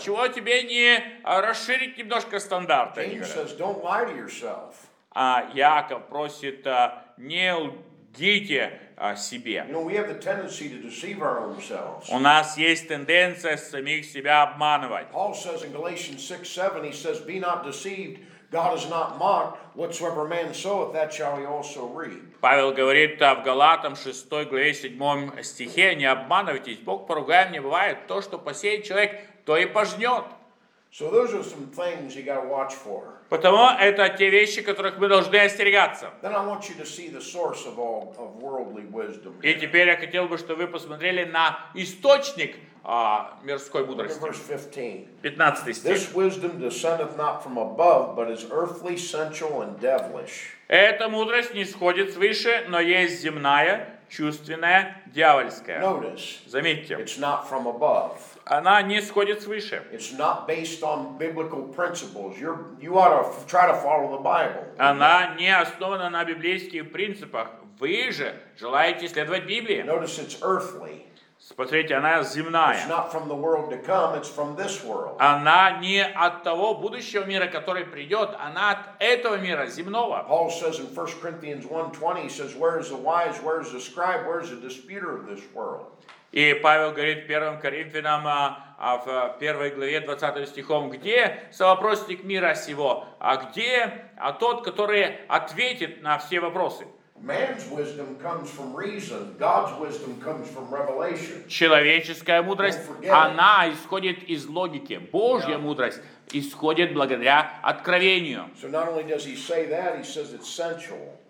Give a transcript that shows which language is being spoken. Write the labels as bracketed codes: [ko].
[ru] Чего тебе не расширить немножко стандарты? [en] James says, don't lie to yourself. [ru] А Яков просит, не лгите себе. [en] You know, we have the tendency to deceive our own selves. [ru] У нас есть тенденция самих себя обманывать. [en] Paul says in Galatians 6:7, he says, "Be not deceived. God is not mocked. Whatsoever man soweth, that shall he also reap." [ru] Павел говорит в Галатам 6 главе 7 стихе: "Не обманывайтесь. Бог поругаем не бывает. То, что посеет человек, то и пожнет." [en] So those are some things you got to watch for. [ru] Потому это те вещи, которых мы должны остерегаться. [en] Then I want you to see the source of all of worldly wisdom. [ru] И теперь я хотел бы, чтобы вы посмотрели на источник мирской мудрости. [en] Verse 15. [ru] 15 стих. [en] This wisdom descendeth not from above, but is earthly, sensual, and devilish. [ru] Эта мудрость не сходит свыше, но есть земная, чувственная, дьявольская. [en] Notice. [ru] Заметьте. [en] It's not from above. [ru] Она не сходит свыше. [en] It's not based on biblical principles. You ought to try to follow the Bible. [ru] Она не основана на библейских принципах. Вы же желаете следовать Библии. [en] Notice it's earthly. [ru] Смотрите, она земная. [en] It's not from the world to come, it's from this world. [ru] Она не от того будущего мира, который придет, она от этого мира, земного. [en] Paul says in 1 Corinthians 1:20, he says, where is the wise, where is the scribe, where is the disputer of this world? [ru] И Павел говорит 1 Коринфянам, в 1 главе 20 стихом, где совопросник мира сего, а где тот, который ответит на все вопросы? [en] Man's wisdom comes from reason. God's wisdom comes from revelation. [ru] Человеческая мудрость, она исходит из логики. Божья мудрость исходит благодаря откровению. [en] So not only does he say that, he says it's sensual.